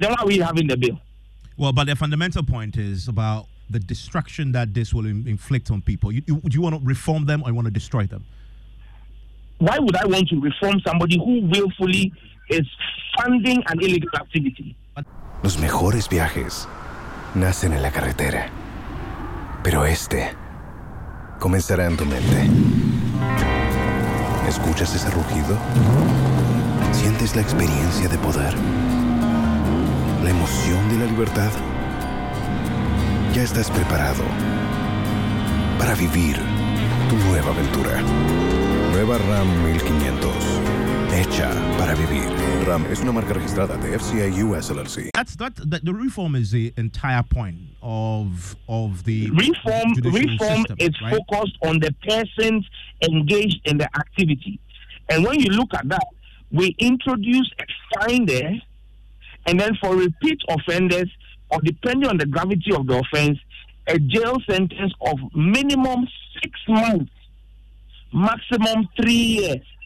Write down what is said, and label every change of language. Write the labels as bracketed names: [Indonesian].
[English] Then why are we having the bill? Well, but the fundamental point is about the destruction that this will inflict on people. Do you want to reform them or you want to destroy them? Why would I want to reform somebody who willfully is funding an illegal activity? [Spanish] Los mejores viajes nacen en la carretera, pero este comenzará en tu mente. ¿Escuchas ese rugido? ¿Sientes la experiencia de poder? ¿La emoción de la libertad? Ya estás preparado para vivir tu nueva aventura. Nueva Ram 1500. Hecha para vivir. Ram es una marca registrada de FCA US LLC. [English] The reform is the entire point of the reform. Reform system, is right? Focused on the persons engaged in the activity. And when you look at that, we introduce a fine there, and then for repeat offenders, or depending on the gravity of the offense, a jail sentence of minimum 6 months, maximum 3 years.